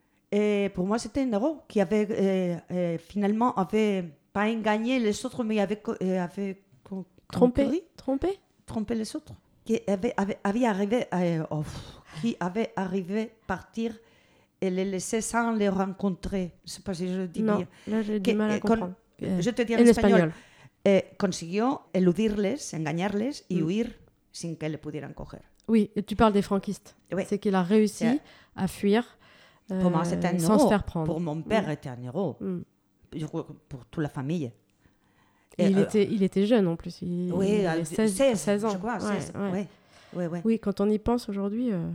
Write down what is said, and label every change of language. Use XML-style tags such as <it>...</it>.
<fr>Et pour moi, c'était un héros qui avait finalement avait pas gagné les autres, mais avait trompé les autres. Qui avait arrivé partir et les laisser sans les rencontrer. Je sais pas si je dis non, bien. Non, là j'ai du mal à comprendre. Je te dis en espagnol.</fr> <es>Et consiguió eludirles, engañarles y huir sin que le pudieran coger.</es> <fr>Oui, et tu parles des franquistes. Oui. C'est qu'il a réussi à fuir. Pour moi, c'était un sans héros. Se faire prendre. Pour mon père, c'était un héros. Pour toute la famille. Il était jeune en plus. Il avait 16 ans. Je crois, ouais, 16. Ouais. Oui, quand on y pense aujourd'hui.</fr>